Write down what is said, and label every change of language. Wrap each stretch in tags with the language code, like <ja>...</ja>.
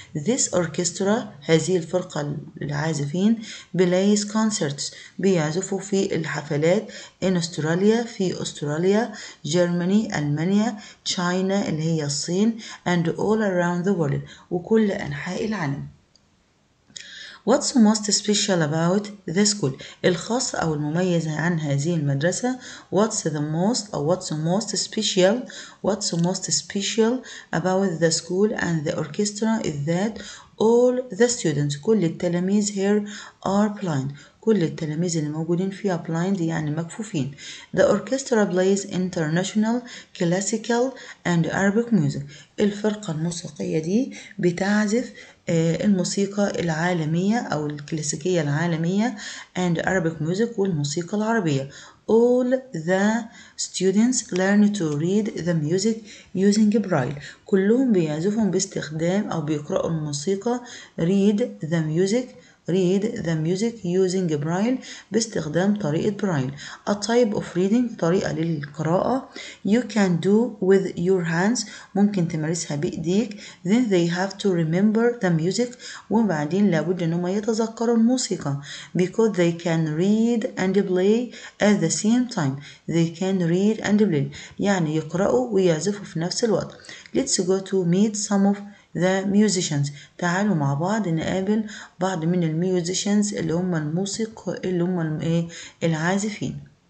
<en>This orchestra</en> <ar>هذه الفرقة العازفين</ar> <en>plays concerts</en> <ar>بيعزفوا في الحفلات</ar> <en>in Australia</en> <ar>في أستراليا, Germany ألمانيا, China اللي هي الصين</ar> <en>and all around the world</en> <ar>وكل أنحاء العالم.</ar> <en>What's most special about the school</en> <ar>الخاص أو المميز عن هذه المدرسة.</ar> <en>What's the most أو what's most special. What's most special about the school and the orchestra is that all the students</en> <ar>كل التلاميذ</ar> <en>here are blind</en> <ar>كل التلاميذ اللي موجودين فيها blind يعني مكفوفين.</ar> <en>The orchestra plays international classical and Arabic music.</en> <ar>الفرقة الموسيقية دي بتعزف الموسيقى العالمية أو الكلاسيكية العالمية</ar> <en>and Arabic music</en> <ar>والموسيقى العربية.</ar> <en>All the students learn to read the music using braille.</en> <ar>كلهم بيعزفهم باستخدام أو بيقرأوا الموسيقى</ar> <en>read the music using braille</en> <ar>باستخدام طريقة braille.</ar> <en>A type of reading</en> <ar>طريقة للقراءة.</ar> <en>You can do with your hands</en> <ar>ممكن تمارسها بإيديك.</ar> <en>Then they have to remember the music</en> <ar>وبعدين لابد أنهم يتذكروا الموسيقى.</ar> <en>Because they can read and play at the same time. They can read and play</en> <ar>يعني يقرأوا ويعزفوا في نفس الوقت.</ar> <en>Let's go to meet some of the musicians.</en> <ar>تعالوا مع بعض نقابل بعض من الميوزيشنز اللي هم الموسيقى اللي هم العازفين.</ar>